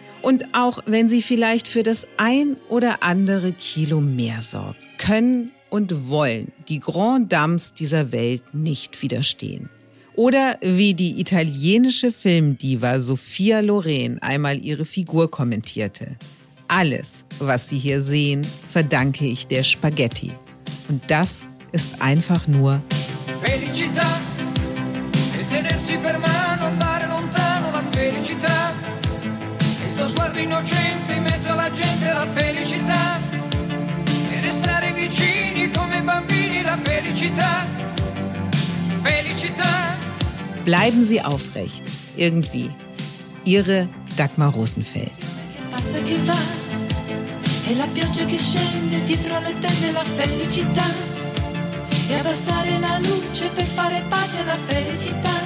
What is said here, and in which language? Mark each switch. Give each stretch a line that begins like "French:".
German: Und auch wenn sie vielleicht für das ein oder andere Kilo mehr sorgt, können und wollen die Grand Dames dieser Welt nicht widerstehen. Oder wie die italienische Filmdiva Sophia Loren einmal ihre Figur kommentierte. Alles, was Sie hier sehen, verdanke ich der Spaghetti. Und das ist einfach nur Felicità.
Italian: E tenersi per mano, andare lontano, la felicità. Il tuo sguardo innocente in mezzo alla gente, la felicità. E restare vicini come bambini, la felicità. Felicità.
German: Bleiben Sie aufrecht, irgendwie. Ihre Dagmar Rosenfeld.
Italian: E la pioggia che scende dietro alle tende la felicità. E abbassare la luce per fare pace la felicità.